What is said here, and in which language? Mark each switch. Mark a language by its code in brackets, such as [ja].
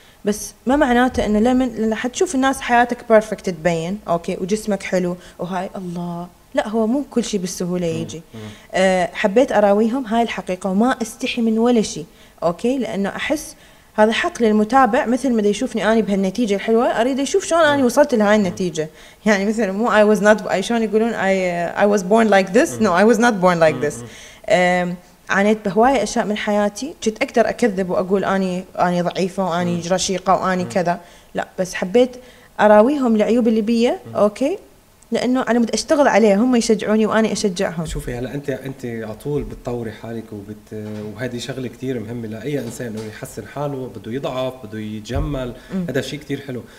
[ar] بس ما معناته انه لما حتشوف الناس حياتك بيرفكت تبين اوكي، وجسمك حلو وهاي الله، لا هو مو كل شيء بالسهوله يجي. حبيت اراويهم هاي الحقيقه، وما استحي من ولا شيء اوكي، لانه احس هذا حق للمتابع، مثل ما دا يشوفني أنا بهالنتيجة الحلوة أريد أشوف شلون أنا وصلت لهاي النتيجة. يعني مثل مو [en] I was not I [ar] شلون يقولون [en] I was born like this no I was not born like this. [ar] عانيت بهواية أشياء من حياتي، كنت أقدر أكذب وأقول أنا ضعيفة وأنا رشيقة وأنا كذا، لا بس حبيت أراويهم العيوب اللي بيا أوكي، لانه انا بدي اشتغل عليه، هم يشجعوني واني اشجعهم. شوفي هلا انت على طول بتطوري حالك، وهذه شغله كثير مهمه لاي انسان، انه يحسن حاله، بده يضعف، بده يتجمل، هذا شيء كثير حلو.